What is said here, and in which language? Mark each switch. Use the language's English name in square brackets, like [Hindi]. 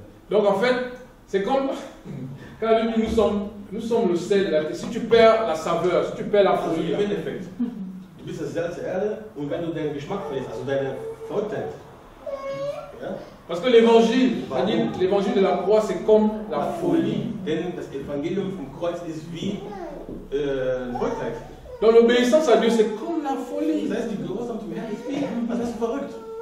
[French] Donc en fait, c'est comme quand la Bible dit nous sommes le sel de la terre. Si tu perds la saveur, si tu perds la folie, du effet. [German] Du bist das Salz der Erde und wenn du deinen Geschmack verlierst, also deine Verrücktheit. [French] Parce que l'évangile, c'est-à-dire l'évangile de la croix, c'est comme la folie. [German] Denn das Evangelium vom Kreuz ist wie Verrücktheit. [French] Donc l'obéissance à Dieu, c'est comme la folie. [German] Das heißt, die Gehorsam zum Herrn ist wie, was ist verrückt?